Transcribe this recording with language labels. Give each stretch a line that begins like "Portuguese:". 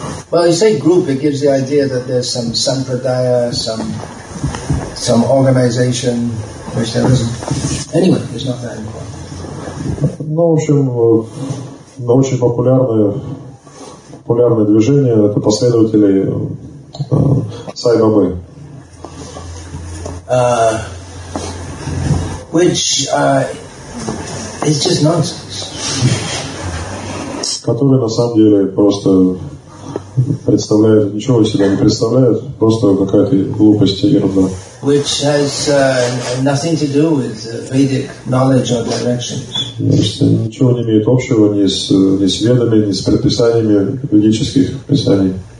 English: Well, you say group, it gives the idea that there's some sampradaya, some organization, which there isn't. Anyway, there's not that important.
Russian: Ну, в общем, очень популярное движение это последователи Сай Бабы.
English: Which is just nonsense.
Russian: Который на самом деле просто представляет, ничего себе не представляет, просто какая-то глупость ерунда.
English: Which has nothing to do with Vedic knowledge or directions.
Russian: Ничего не имеет общего ни с ведами, ни с предписаниями ведических писаний.